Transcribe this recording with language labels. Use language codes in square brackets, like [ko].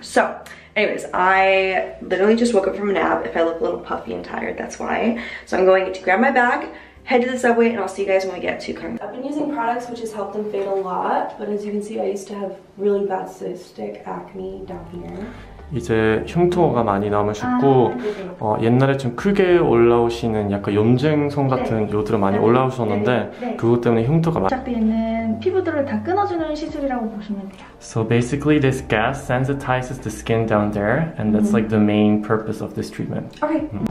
[en] So anyways, I literally just woke up from a nap. If I look a little puffy and tired, that's why. So I'm going to grab my bag, head to the subway, and I'll see you guys when we get to Gangnam. I've been using products which has helped them fade a lot, but as you can see, I used to have really bad cystic acne down here. [ko] 이제 흉터가 많이 남으셨고 옛날에 좀 크게 올라오시는 약간 염증성 같은 네. 요들은 많이 올라오셨는데 그것 때문에 흉터가 시작되는 피부들을 다 끊어주는 시술이라고 보시면 돼요. [en] So basically this gas sensitizes the skin down there and that's like the main purpose of this treatment. Okay.